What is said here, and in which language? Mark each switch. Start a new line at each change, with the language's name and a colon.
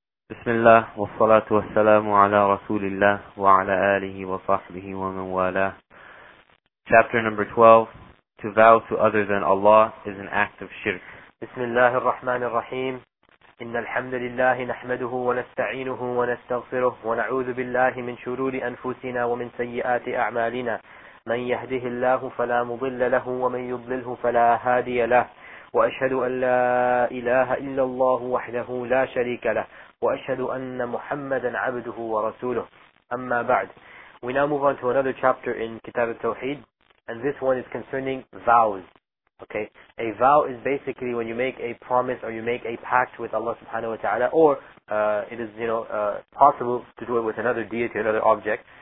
Arabic: بسم الله والصلاة والسلام على رسول الله وعلى آله وصحبه ومن والاه.
English: Chapter number 12, to vow to other than Allah is an act of shirk.
Arabic: بسم الله الرحمن الرحيم. إن الحمد لله نحمده ونستعينه ونستغفره ونعوذ بالله من شرور أنفسنا ومن سيئات أعمالنا. من يهده الله فلا مضل له ومن يضلله فلا هادي له. وأشهد أن لا إله إلا الله وحده لا شريك له. وأشهد أن محمدا عبده ورسوله. أما بعد.
English: We now move on to another chapter in Kitab al-Tawheed, and this one is concerning vows. Okay, a vow is basically when you make a promise or you make a pact with Allah subhanahu wa ta'ala, or it is possible to do it with another deity or another object.